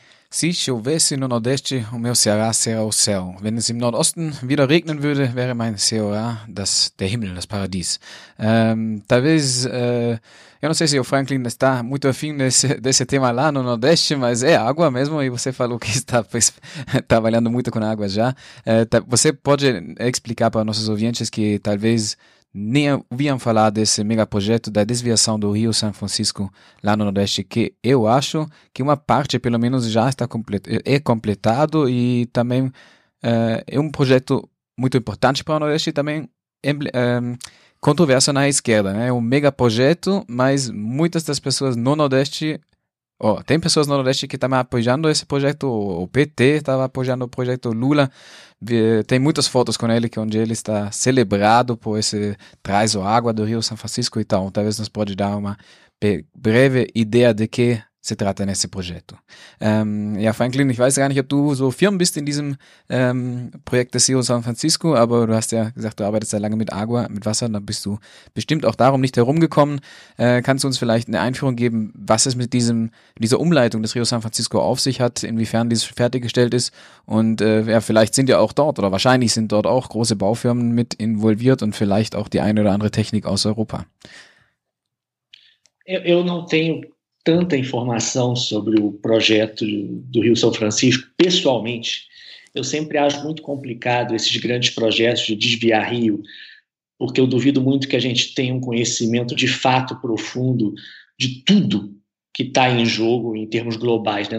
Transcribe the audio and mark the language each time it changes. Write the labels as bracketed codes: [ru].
[pt] Se chovesse no Nordeste, o meu Ceará seria o céu. [de] Wenn es im Nordosten wieder regnen würde, wäre mein Ceará das, der Himmel, das Paradies. [pt] Talvez, eu não sei se o Franklin está muito afim desse tema lá no Nordeste, mas é água mesmo, e você falou que está trabalhando muito com água já. Você pode explicar para nossos ouvintes que talvez nem ouviam falar desse megaprojeto da desviação do Rio São Francisco lá no Nordeste, que eu acho que uma parte, pelo menos, já está completado e também é um projeto muito importante para o Nordeste e também controverso na esquerda, né? É um megaprojeto, mas muitas das pessoas no Nordeste, tem pessoas no Nordeste que estão apoiando esse projeto, o PT estava apoiando o projeto Lula, tem muitas fotos com ele que onde ele está celebrado por esse traz o água do Rio São Francisco e tal. Talvez nos pode dar uma breve ideia de que se trata nesse projeto. [de] Ja, Franklin, ich weiß gar nicht, ob du so firm bist in diesem Projekt des Rio San Francisco, aber du hast ja gesagt, du arbeitest sehr lange mit Agua, mit Wasser, dann bist du bestimmt auch darum nicht herumgekommen. Kannst du uns vielleicht eine Einführung geben, was es mit dieser Umleitung des Rio San Francisco auf sich hat, inwiefern dies fertiggestellt ist und vielleicht sind ja auch dort oder wahrscheinlich sind dort auch große Baufirmen mit involviert und vielleicht auch die eine oder andere Technik aus Europa. [pt] Eu não tenho tanta informação sobre o projeto do Rio São Francisco, pessoalmente, eu sempre acho muito complicado esses grandes projetos de desviar rio, porque eu duvido muito que a gente tenha um conhecimento de fato profundo de tudo que está em jogo em termos globais, né?